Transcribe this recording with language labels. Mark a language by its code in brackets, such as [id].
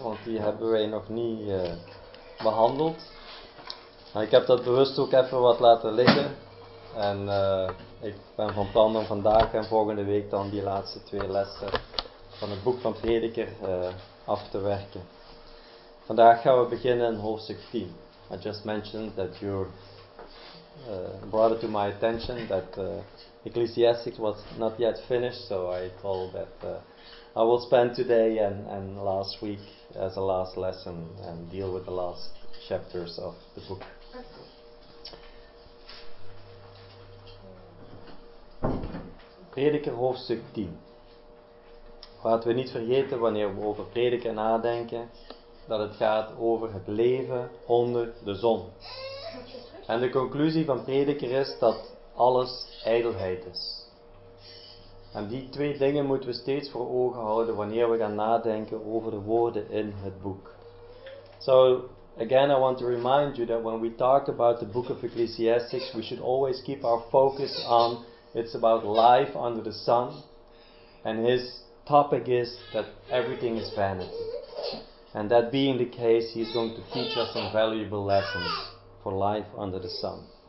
[nl] Want die hebben wij nog niet behandeld. Maar ik heb dat bewust ook even wat laten liggen. En ik ben van plan om vandaag en volgende week dan die laatste twee lessen van het boek van Prediker af te werken. Vandaag gaan we beginnen in hoofdstuk 10. [en] I just mentioned that you're brought it to my attention that Ecclesiastes was not yet finished, so I told that I will spend today and last week as a last lesson and deal with the last chapters of the book. [nl] Prediker hoofdstuk 10. Laten we niet vergeten wanneer we over prediker nadenken dat het gaat over het leven onder de zon. En de conclusie van Prediker is dat alles ijdelheid is. En die twee dingen moeten we steeds voor ogen houden wanneer we gaan nadenken over de woorden in het boek. [en] So, again, I want to remind you that when we talk about the book of Ecclesiastes, we should always keep our focus on it's about life under the sun. And his topic is that everything is vanity. And that being the case, he's going to teach us some valuable lessons for life under the sun.